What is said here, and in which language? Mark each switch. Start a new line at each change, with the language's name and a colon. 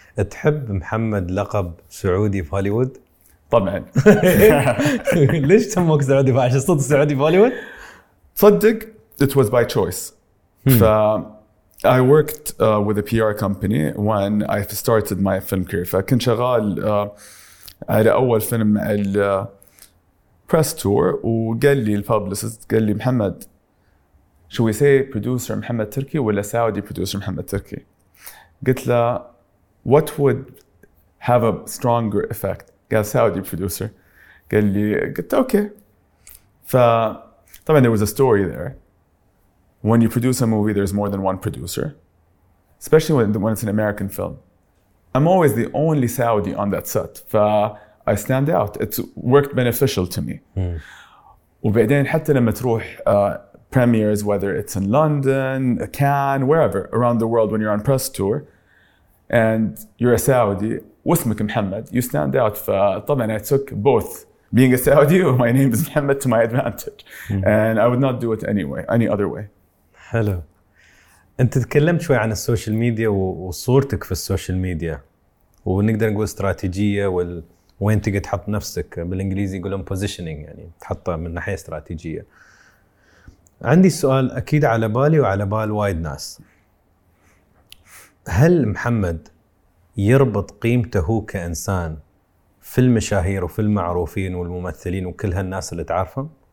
Arabic: تحب محمد لقب سعودي في هوليوود؟ طبعًا. ليش تموك سعودي بعشا صوت سعودي في هوليوود؟
English: صدق it was by choice. I worked with a PR company when I started my film career.
Arabic: فكنت شغال على أول فيلم ال press tour، وقال لي الببلسيست قال لي محمد شو يسي producer محمد تركي ولا Saudi producer محمد تركي؟ قلت له
English: what would have a stronger effect؟
Arabic: قال Saudi producer. قال لي قلت
English: okay. فطبعا there was a story there. When you produce a movie there's more than one producer, especially when it's an American film. I'm always the only Saudi on that set. I stand out. It's worked beneficial to me.
Arabic: وبعدين حتى لما تروح
English: premieres, whether it's in London, Cannes, wherever, around the world, when you're on press tour, and you're a Saudi,
Arabic: واسمك محمد,
English: you stand out. فطبعاً I took both being a Saudi and my name is Muhammad to my advantage. And I would not do it anyway, any other way.
Arabic: حلو. أنت تكلمت شوي عن السوشيال ميديا وصورتك في السوشيال ميديا. ونقدر نقول استراتيجية وين تقدر تحط نفسك، بالانجليزي يقولون positioning، يعني تحطها من ناحية استراتيجية. عندي سؤال أكيد على بالي وعلى بال وايد ناس، هل محمد يربط قيمته هو كإنسان في المشاهير وفي المعروفين والممثلين وكل هالناس اللي تعرفهم؟